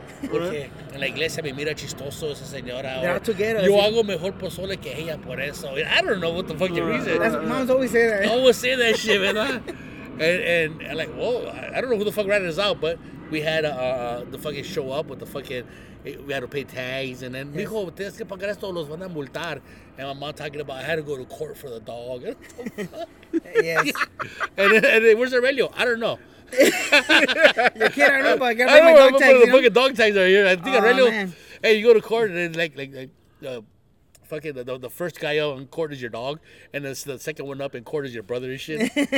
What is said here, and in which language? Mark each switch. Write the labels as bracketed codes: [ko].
[es] Porque en la iglesia me mira chistoso esa señora. [en] They're all together. [es] Yo hago mejor pozole que ella por eso. [en] I don't know what the fucking reason. That's, moms always say that. I always say that shit, man. And I'm like, whoa, I don't know who the fuck ran this out, but we had the fucking show up with the fucking... We had to pay tags, and then yes. [es] Mijo, tienes que pagar esto, los van a multar. [en] And my mom talking about I had to go to court for the dog. Yes. And then, where's Aurelio? I don't know. I don't know, but I got my dog tags, you know? I think Aurelio. Man. Hey, you go to court, and then the first guy out in court is your dog, and then the second one up in court is your brother and shit.